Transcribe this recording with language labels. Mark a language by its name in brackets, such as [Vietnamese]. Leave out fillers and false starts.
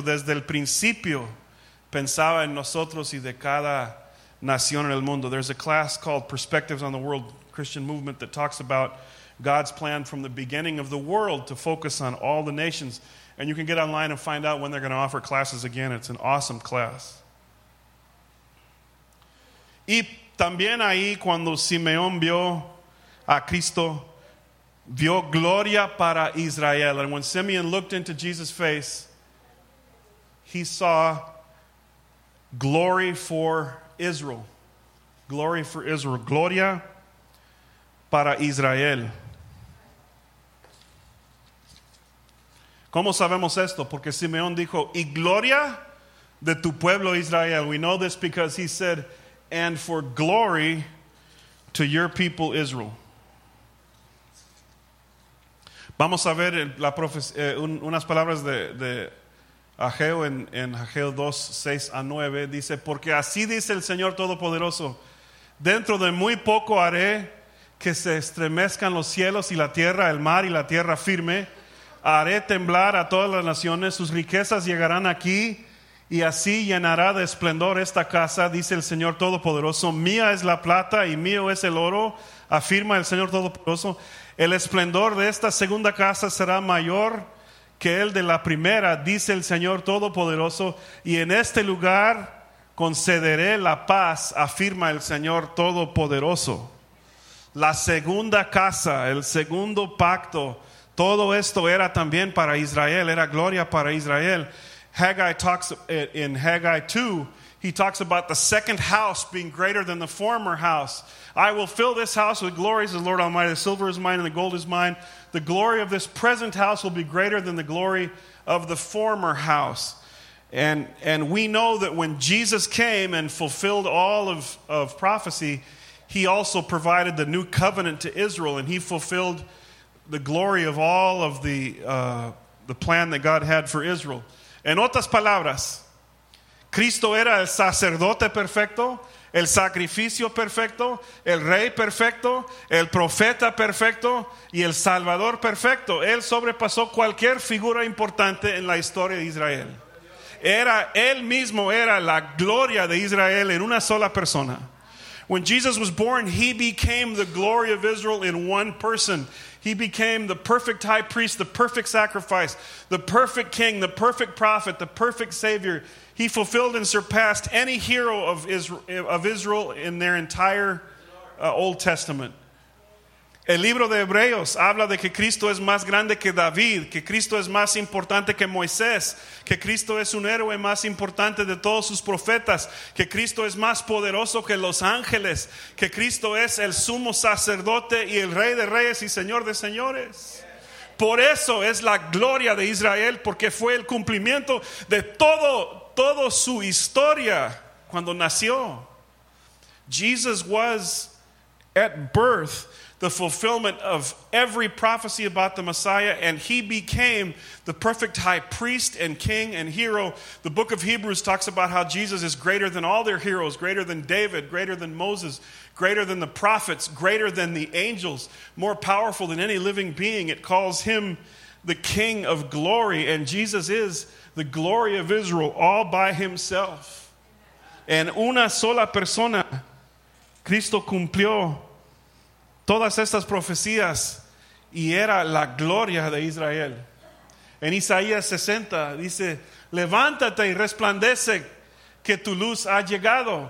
[Spanish] Desde el principio pensaba en nosotros y de cada nación en el mundo. [English] There's a class called Perspectives on the World Christian Movement that talks about God's plan from the beginning of the world to focus on all the nations. And you can get online and find out when they're going to offer classes again. It's an awesome class. [Spanish] Y también ahí cuando Simeón vio a Cristo, vio gloria para Israel. [English] And when Simeon looked into Jesus' face, he saw glory for Israel. Glory for Israel. [Spanish] Gloria para Israel. ¿Cómo sabemos esto? Porque Simeón dijo, y gloria de tu pueblo Israel. [English] We know this because he said, and for glory to your people Israel. [Spanish] Vamos a ver unas palabras de Ageo en Ageo 2, 6 a 9. Dice, porque así dice el Señor Todopoderoso, dentro de muy poco haré que se estremezcan los cielos y la tierra, el mar y la tierra firme. Haré temblar a todas las naciones, sus riquezas llegarán aquí y así llenará de esplendor esta casa, dice el Señor Todopoderoso. Mía es la plata y mío es el oro, afirma el Señor Todopoderoso. El esplendor de esta segunda casa será mayor que el de la primera, dice el Señor Todopoderoso. Y en este lugar concederé la paz, afirma el Señor Todopoderoso. La segunda casa, el segundo pacto. Todo esto era también para Israel, era gloria para Israel. [English] Haggai talks in Haggai 2, he talks about the second house being greater than the former house. I will fill this house with glory, says the Lord Almighty. The silver is mine and the gold is mine. The glory of this present house will be greater than the glory of the former house. And we know that when Jesus came and fulfilled all of prophecy, he also provided the new covenant to Israel, and he fulfilled the glory of all of the the plan that God had for Israel. [Spanish] En otras palabras, Cristo era el sacerdote perfecto, el sacrificio perfecto, el rey perfecto, el profeta perfecto y el salvador perfecto. Él sobrepasó cualquier figura importante en la historia de Israel. Era él mismo, era la gloria de Israel en una sola persona. [English] When Jesus was born, he became the glory of Israel in one person. He became the perfect high priest, the perfect sacrifice, the perfect king, the perfect prophet, the perfect savior. He fulfilled and surpassed any hero of Israel in their entire Old Testament. [Spanish] El libro de Hebreos habla de que Cristo es más grande que David, que Cristo es más importante que Moisés, que Cristo es un héroe más importante de todos sus profetas, que Cristo es más poderoso que los ángeles, que Cristo es el sumo sacerdote y el rey de reyes y señor de señores. Por eso es la gloria de Israel, porque fue el cumplimiento de todo su historia cuando nació. [English] Jesus was at birth the fulfillment of every prophecy about the Messiah, and he became the perfect high priest and king and hero. The book of Hebrews talks about how Jesus is greater than all their heroes, greater than David, greater than Moses, greater than the prophets, greater than the angels, more powerful than any living being. It calls him the King of Glory, and Jesus is the glory of Israel all by himself. [Spanish] En una sola persona, Cristo cumplió todas estas profecías, y era la gloria de Israel. En Isaías 60 dice, levántate y resplandece, que tu luz ha llegado.